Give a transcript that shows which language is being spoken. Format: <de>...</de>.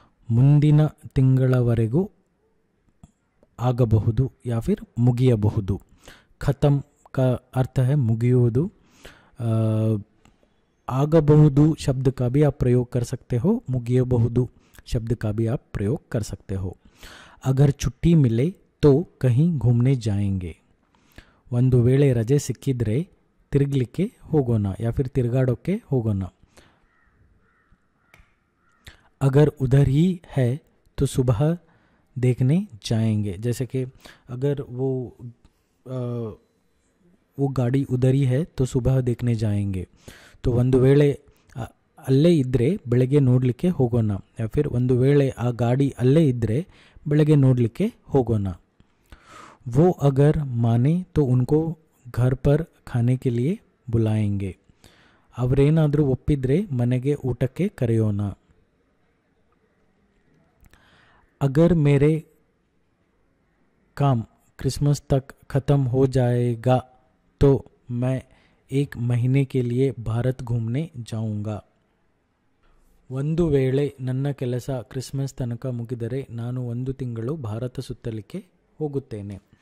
<kn>मुंदिन तिंगळवरेगू आगबहुदु</kn> <hi>या फिर</hi> <kn>मुगियबहुदु।</kn> <hi>खत्म का अर्थ है मुगियुवुदु। आगबहुदु शब्द का भी आप प्रयोग कर सकते हो, मुगियबहुदु शब्द का भी आप प्रयोग कर सकते हो। अगर छुट्टी मिले तो कहीं घूमने जाएंगे।</hi> <kn>ಒಂದು ವೇಳೆ ರಜೆ ಸಿಕ್ಕಿದ್ರೆ ತಿರುಗಲಿಕ್ಕೆ ಹೋಗೋಣ</kn> <hi>ಯಾ ಫಿರ್</hi> <kn>ತಿರುಗಾಡೋಕ್ಕೆ ಹೋಗೋಣ।</kn> <hi>अगर उधर ही है तो सुबह देखने जाएंगे। जैसे कि अगर वो गाड़ी उधर ही है तो सुबह देखने जाएंगे।</hi> <kn>तो ಒಂದು ವೇಳೆ ಅಲ್ಲೇ ಇದ್ರೆ ಬೆಳಗ್ಗೆ ನೋಡಲಿಕ್ಕೆ ಹೋಗೋಣ</kn> <hi>ಯಾ ಫಿರ್</hi> <kn>ಒಂದು ವೇಳೆ ಆ ಗಾಡಿ ಅಲ್ಲೇ ಇದ್ರೆ ಬೆಳಗ್ಗೆ ನೋಡಲಿಕ್ಕೆ ಹೋಗೋಣ।</kn> <hi>वो अगर माने तो उनको घर पर खाने के लिए बुलाएंगे।</hi> <kn>ಅವರೇನಾದರೂ ಒಪ್ಪಿದ್ರೆ ಮನೆಗೆ ಊಟಕ್ಕೆ ಕರೆಯೋಣ।</kn> <hi>अगर मेरे काम क्रिसमस तक खत्म हो जाएगा तो मैं एक महीने के लिए भारत घूमने जाऊंगा।</hi> <kn>ಒಂದು ವೇಳೆ ನನ್ನ ಕೆಲಸ ಕ್ರಿಸ್ಮಸ್ ತನಕ ಮುಗಿದರೆ ನಾನು ಒಂದು ತಿಂಗಳು ಭಾರತ ಸುತ್ತಲಿಕ್ಕೆ ಹೋಗುತ್ತೇನೆ।</kn>